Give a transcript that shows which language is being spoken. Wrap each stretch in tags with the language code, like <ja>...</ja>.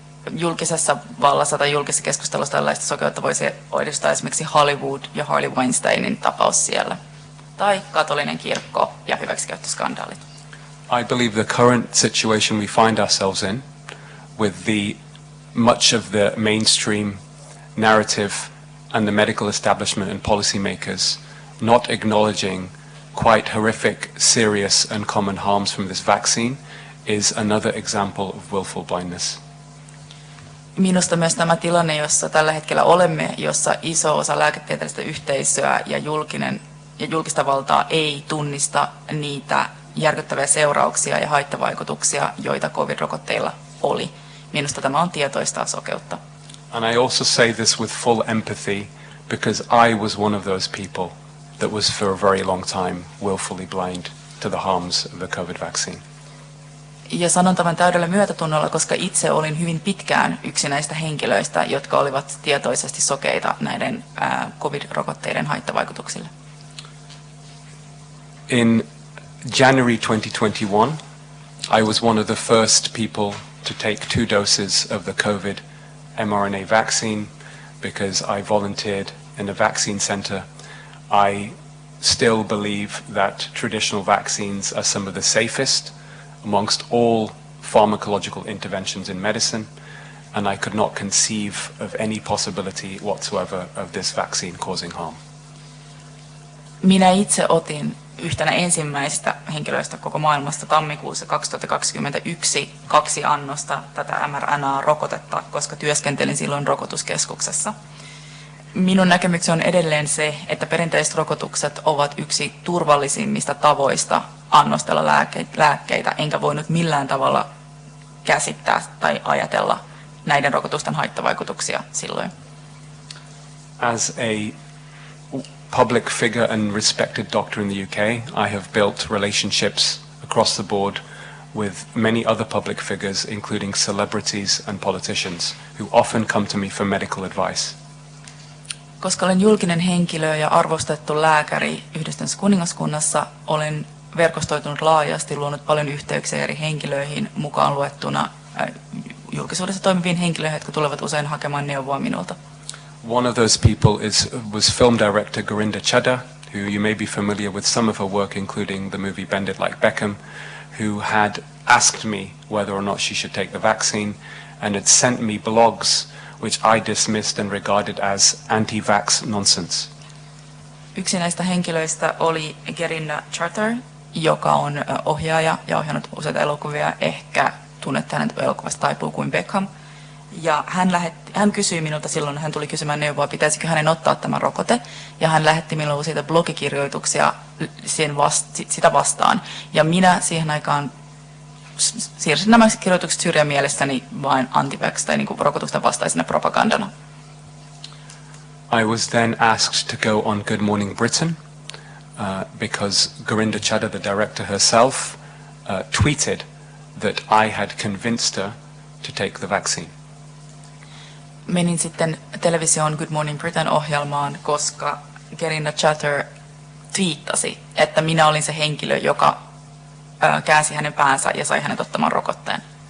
<fi>Julkisessa vallassa tai julkisessa keskustelussa tällaista sokeutta voisi edustaa esimerkiksi Hollywood ja Harley Weinsteinin tapaus siellä. Tai katolinen kirkko ja hyväksikäyttöskandaalit.</fi> <en>I believe the current situation we find ourselves in, with the much of the mainstream narrative and the medical establishment and policymakers not acknowledging quite horrific, serious and common harms from this vaccine is another example of willful blindness.</en> <fi>Minusta myös tämä tilanne, jossa tällä hetkellä olemme, jossa iso osa lääketieteellistä yhteisöä ja julkista valtaa ei tunnista niitä järkyttäviä seurauksia ja haittavaikutuksia, joita COVID-rokotteilla oli. Minusta tämä on tietoista sokeutta.</fi> <en>And I also say this with full empathy because I was one of those people that was for a very long time willfully blind to the harms of the COVID vaccine.</en> <fi>Ja sanon tämän täydellä myötätunnolla, koska itse olin hyvin pitkään yksi näistä henkilöistä, jotka olivat tietoisesti sokeita näiden COVID-rokotteiden haittavaikutuksille.</fi> <en>In January 2021, I was one of the first people to take two doses of the COVID mRNA vaccine because I volunteered in a vaccine center. I still believe that traditional vaccines are some of the safest amongst all pharmacological interventions in medicine, and I could not conceive of any possibility whatsoever of this vaccine causing harm.</en> <fi>Minä itse otin yhtenä ensimmäistä henkilöistä koko maailmasta tammikuussa 2021 kaksi annosta tätä mRNA-rokotetta, koska työskentelin silloin rokotuskeskuksessa. Minun näkemykseni on edelleen se, että perinteiset rokotukset ovat yksi turvallisimmista tavoista annostella lääkkeitä, enkä voinut millään tavalla käsittää tai ajatella näiden rokotusten haittavaikutuksia silloin.</fi> <en>As a public figure and respected doctor in the UK, I have built relationships across the board with many other public figures, including celebrities and politicians, who often come to me for medical advice.</en> <fi>Koska olen julkinen henkilö ja arvostettu lääkäri Yhdistyneessä kuningaskunnassa, olen verkostoitunut laajasti, luonut paljon yhteyksiä eri henkilöihin, mukaan luettuna julkisuudessa toimiviin henkilöihin, jotka tulevat usein hakemaan neuvoa minulta.</fi> <en>One of those people was film director Gurinder Chadha, who you may be familiar with some of her work, including the movie Bended Like Beckham, who had asked me whether or not she should take the vaccine and had sent me blogs which I dismissed and regarded as anti-vax nonsense.</en> <fi>Yksi näistä henkilöistä oli Gerinda Charter, joka on ohjaaja ja ohjannut useita elokuvia, ehkä tunnet hänet elokuvasta Taipuu kuin Beckham. Ja hän kysyi minulta silloin, hän tuli kysymään neuvoa, pitäisikö hänen ottaa tämä rokote. Ja hän lähetti minulle useita blogikirjoituksia sitä vastaan. Ja minä siihen aikaan siirsin nämä kirjoitukset syrjään mielestäni vain anti-vax tai niin kuin rokotusten vastaisena propagandana.</fi> <en>I was then asked to go on Good Morning Britain because Gurinder Chadha, the director herself, tweeted that I had convinced her to take the vaccine.</en> <fi>Menin sitten televisioon Good Morning Britain-ohjelmaan, koska Gerinda Chadha twiittasi, että minä olin se henkilö, joka käänsi hänen päänsä ja sai hänet ottamaan rokotteen.</fi>